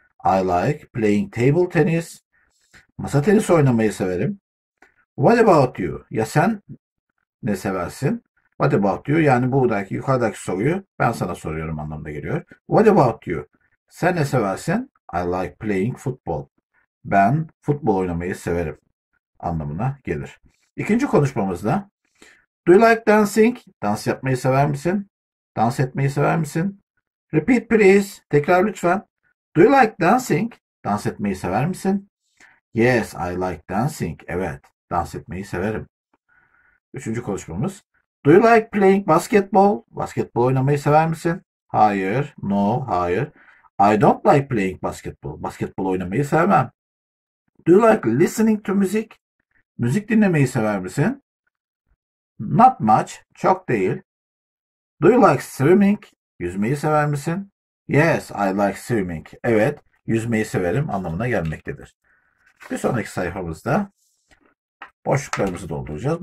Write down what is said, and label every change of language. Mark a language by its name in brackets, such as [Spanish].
[English] I like playing table tennis. [Turkish] Masa tenisi oynamayı severim. [English] What about you? [Turkish] Ya sen ne seversin? [English] What about you? [Turkish] Yani buradaki yukarıdaki soruyu ben sana soruyorum anlamına geliyor. [English] What about you? [Turkish] Sen ne seversin? [English] I like playing football. [Turkish] Ben futbol oynamayı severim anlamına gelir. İkinci konuşmamızda [English] Do you like dancing? [Turkish] Dans yapmayı sever misin? Dans etmeyi sever misin? [English] Repeat please. [Turkish] Tekrar lütfen. [English] Do you like dancing? [Turkish] Dans etmeyi sever misin? [English] Yes, I like dancing. [Turkish] Evet, dans etmeyi severim. Üçüncü konuşmamız. [English] Do you like playing basketball? [Turkish] Basketbol oynamayı sever misin? Hayır, no, hayır. [English] I don't like playing basketball. [Turkish] Basketbol oynamayı sevmem. [English] Do you like listening to music? [Turkish] Müzik dinlemeyi sever misin? [English] Not much, [Turkish] çok değil. [English] Do you like swimming? [Turkish] Yüzmeyi sever misin? [English] Yes, I like swimming. [Turkish] Evet, yüzmeyi severim anlamına gelmektedir. Bir sonraki sayfamızda boşluklarımızı dolduracağız.